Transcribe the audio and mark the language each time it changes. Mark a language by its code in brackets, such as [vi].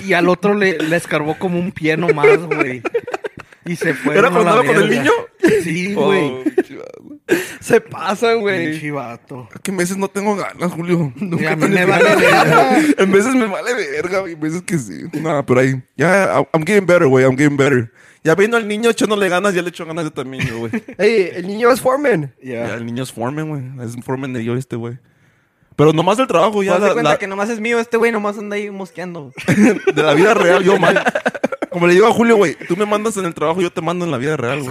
[es] Y al otro le escarbó como un pie nomás, güey. Y se fue. ¿Era con verga. El niño? Sí, güey. Oh, se pasa, güey. Pinche vato. Es que en veces no tengo ganas, Julio. Nunca me vale verga. En veces me vale verga, güey. En veces que sí. Nada, pero ahí. [en] Ya, I'm getting better, güey. I'm getting better. [es] Ya vino el niño echándole ganas, ya le echó ganas yo también, güey. Ey, el niño es foreman. Ya, yeah, el niño es foreman, güey. Es foreman de yo este, güey. Pero nomás el trabajo, ya. Te das cuenta que nomás es mío este, güey. Nomás anda ahí mosqueando. De la vida real, yo, man. Como le digo a Julio, güey, tú me mandas en el trabajo, yo te mando en la vida real, güey.